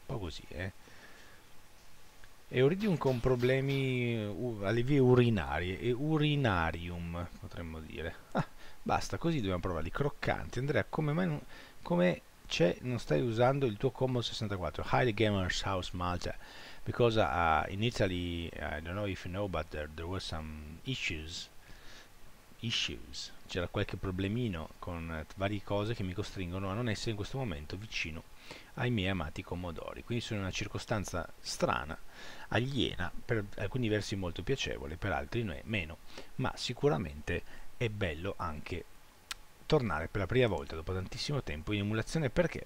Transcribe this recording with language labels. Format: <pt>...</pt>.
<it>Un po' così, Euridium con problemi alle vie urinarie, e urinarium, potremmo dire. Ah, basta, così dobbiamo provarli, croccanti. Andrea, come mai non... come c'è, non stai usando il tuo combo 64?</it> <en>High Gamers House Malta. Because in Italy, I don't know if you know, but there were some issues.</en> <it>C'era qualche problemino con varie cose che mi costringono a non essere in questo momento vicino ai miei amati Commodori. Quindi sono in una circostanza strana, aliena, per alcuni versi molto piacevole, per altri meno. Ma sicuramente è bello anche tornare per la prima volta dopo tantissimo tempo in emulazione. Perché?</it>